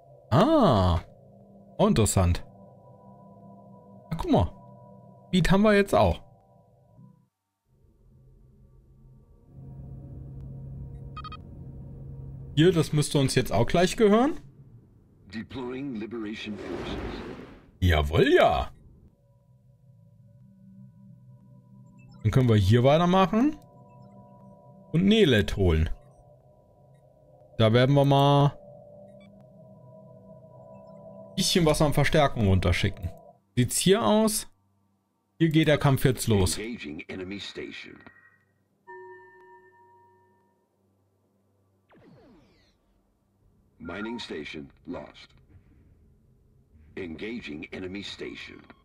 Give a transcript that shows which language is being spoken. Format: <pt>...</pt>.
<de>Ah, interessant. Na, guck mal, Gebiet haben wir jetzt auch. Hier, das müsste uns jetzt auch gleich gehören.</de> <en>Deploying Liberation Forces.</en> <de>Jawohl, ja. Dann können wir hier weitermachen. Und Nelet holen. Da werden wir mal ein bisschen was an Verstärkung runterschicken. Sieht's hier aus? Hier geht der Kampf jetzt los.</de> <en>Engaging enemy station. Mining station lost. Engaging enemy station.</en>